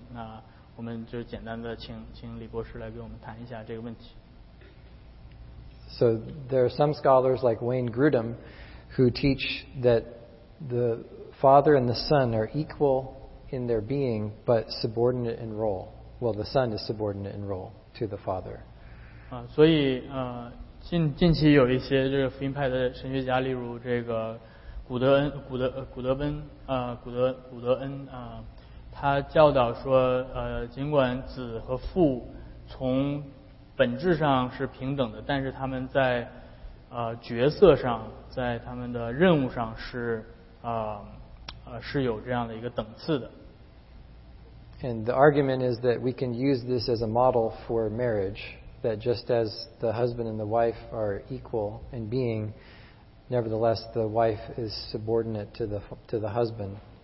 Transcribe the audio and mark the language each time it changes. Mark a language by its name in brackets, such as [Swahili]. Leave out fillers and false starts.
[Chinese] 那我们就简单的请李博士来给我们谈一下这个问题。 [English] So there are some scholars like Wayne Grudem who teach that the Father and the Son are equal in their being, but subordinate in role. Well, the Son is subordinate in role to the Father. [Chinese] 所以近期有一些这个福音派的神学家，例如这个古德恩他教导说尽管子和父从本质上是平等的，但是他们在角色上，在他们的任务上是有这样的一个等次的。 [English] And the argument is that we can use this as a model for marriage, that just as the husband and the wife are equal in being, nevertheless the wife is subordinate to the husband.